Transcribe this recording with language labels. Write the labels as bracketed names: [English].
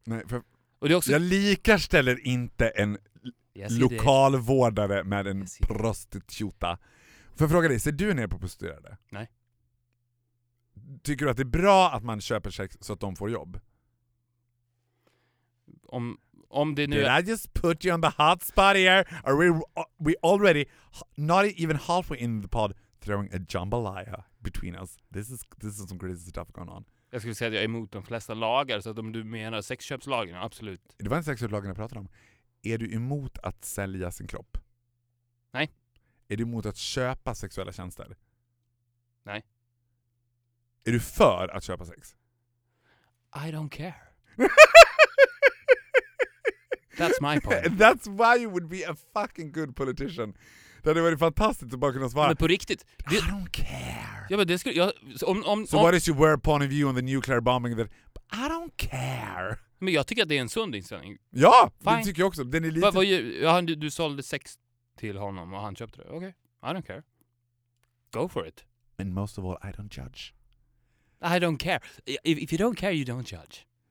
[Swedish] Nej, och det är också... Jag likaställer inte en lokalvårdare med en prostituta. För fråga dig, ser du ner på prostituerade? Nej. Tycker du att det är bra att man köper sex så att de får jobb? Om det nu... [English] Did I just put you on the hot spot here? Are we already not even halfway in the pod throwing a jambalaya between us? This is some crazy stuff going on. [Swedish] Jag skulle säga att jag är emot de flesta lagar, så att om du menar sexköpslagen, absolut. Det var en sexköpslagen jag pratade om. Är du emot att sälja sin kropp? Nej. Är du emot att köpa sexuella tjänster? Nej. Är du för att köpa sex? [English] I don't care. That's my point. That's why you would be a fucking good politician. [Swedish] Det hade varit fantastiskt att bara kunna svara. Men på riktigt. [English] I don't care. [Swedish] Ja, men det skulle, [English] so what is your point of view on the nuclear bombing? That, I don't care. [Swedish] Men jag tycker att det är en sund inställning. Ja, fine. Det tycker jag också. Den är lite... du sålde sex till honom och han köpte det. [English] Okej, okay. I don't care. Go for it. And most of all, I don't judge. I don't care. If you don't care, you don't judge.